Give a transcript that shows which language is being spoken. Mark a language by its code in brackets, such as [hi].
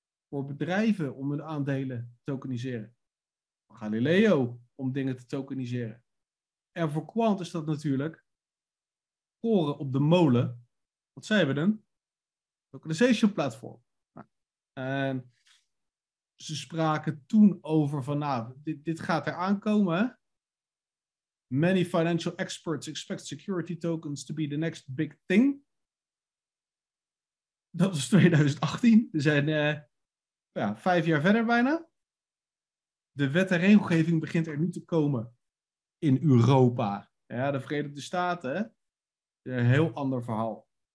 [nl] Voor bedrijven om hun aandelen te tokeniseren. Galileo om dingen te tokeniseren. En voor Quant is dat natuurlijk... koren op de molen. Wat zijn we dan? Tokenization platform. En ze spraken toen over van... nou, dit gaat er aankomen. [en] Many financial experts expect security tokens to be the next big thing. [nl] Dat was 2018. We zijn 5 jaar verder bijna. De wet en regelgeving begint er nu te komen in Europa. Ja, de Verenigde Staten... een heel ander verhaal.